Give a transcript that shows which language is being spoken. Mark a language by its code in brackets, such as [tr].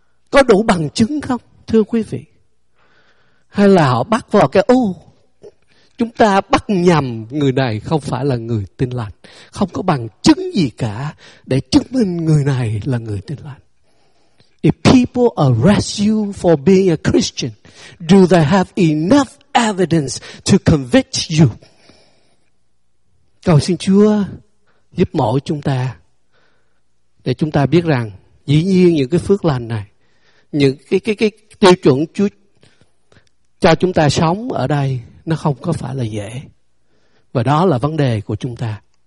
[vi] có đủ bằng chứng không, thưa quý vị? Hay là họ bắt vào cái ô, chúng ta bắt nhầm người này không phải là người Tin Lành, không có bằng chứng gì cả để chứng minh người này là người Tin Lành. [en] If people arrest you for being a Christian, do they have enough evidence to convict you? [vi] Cầu xin Chúa giúp mỗi chúng ta để chúng ta biết rằng dĩ nhiên những cái phước lành này, những cái tiêu chuẩn Chúa cho chúng ta sống ở đây nó không có phải là dễ. Và đó là vấn đề của chúng ta.